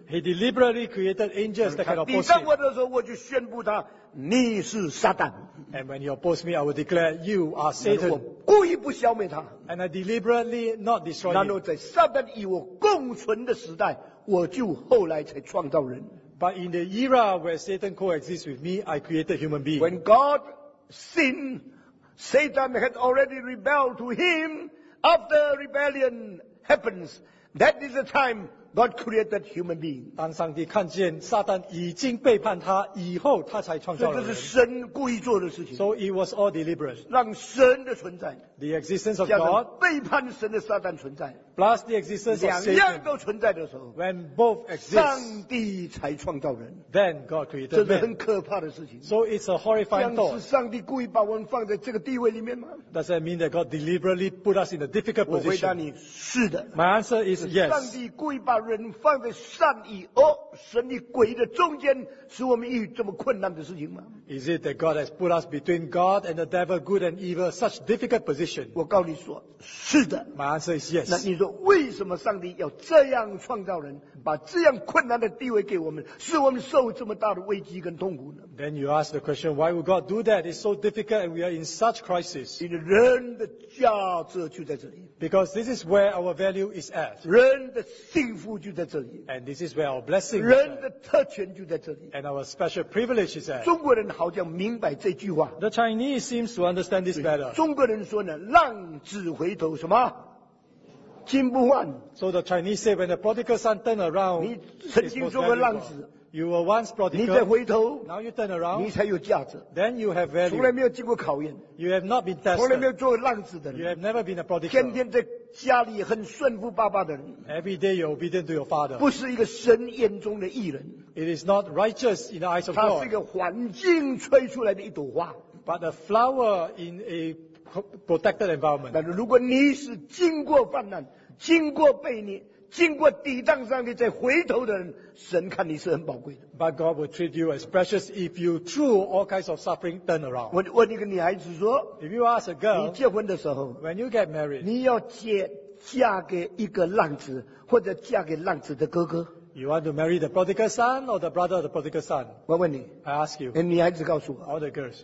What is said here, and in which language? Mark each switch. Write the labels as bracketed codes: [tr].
[en] He deliberately created angels that cannot oppose me. [zh] 第三问的时候，我就宣布他。你是撒旦 [en] ，and when you oppose me, I will declare you are Satan. [zh] 我故意不消灭他 [en] ，and I deliberately not destroy. [zh] 然后在撒旦与我共存的时代，我就后来才创造人。 [en] But in the era where Satan coexists with me, I created human being. When God sinned, Satan had already rebelled to him. After rebellion happens, that is the time. God created human being. [zh] 当上帝看见撒旦已经背叛他以后，他才创造了人。这是神故意做的事情。 [en] So it was all deliberate. [zh] 让神的存在 [en] ，the existence of God， [zh] 背叛神的撒旦存在 [en] ，plus the existence of Satan， [zh] 两样都存在的时候 [en] ，when both exist， [zh] 上帝才创造人。 [en] Then God created man. [zh] 这是很可怕的事情。 [en] So it's a horrifying thought. [zh] 像是上帝故意把我们放在这个地位里面吗 [en] ？Does that mean that God deliberately put us in a difficult position？ [zh] 我回答你，是的。 [en] My answer is yes. [zh] 上帝故意把人放在善与恶、神与鬼的中间，使我们遇这么困难的事情吗 [en] ？Is it that God has put us between God and the devil, good and evil, such difficult position？ [zh] 我告诉你说，是的。 [en] My answer is yes。 [zh] 那你说，为什么上帝要这样创造人，把这样困难的地位给我们，使我们受这么大的危机跟痛苦呢 [en] ？Then you ask the question, why would God do that? It's so difficult, and we are in such crisis。 [zh] 因为人的价值就在这里。 [en] Because this is where our value is at。 [zh] 人的幸福。 [en] And this is where our blessing is at. And our special privilege is at. [zh] 中国人好像明白这句话。 [en] The Chinese seems to understand this better. [zh] 中国人说呢，浪子回头什么？金不换。 [en] So the Chinese say when the prodigal son turned around, [zh] 你曾经做过浪子。 [en] You were once prodigal. [zh] 你再回头。 [en] Now you turn around, [zh] 你才有价值。 [en] Then you have value. [zh] 从来没有经过考验。 [en] You have not been tested. [zh] 从来没有做过浪子的人。 [en] You have never been a prodigal. [zh] 天天在家里很顺服爸爸的人 [en] ，Every day you're obedient to your father， [zh] 不是一个神眼中的义人 [en] ，It is not righteous in the eyes of God， [zh] 他是一个环境吹出来的一朵花 [en] ，But a flower in a protected environment。 [zh] 但是如果你是经过患难、经过背逆、经过抵挡上帝再回头的人，神看你是很宝贵的。 [en] But God will treat you as precious if you through all kinds of suffering turn around. [zh] 我问一个女孩子说 [en] ，If you ask a girl， [zh] 你结婚的时候 [en] ，When you get married， [zh] 你要嫁给一个浪子，或者嫁给浪子的哥哥 [en] ？You want to marry the prodigal son or the brother of the prodigal son？ [zh] 我问你 [en] ，I ask you， [zh] 女孩子告诉我 [en] ，All the girls，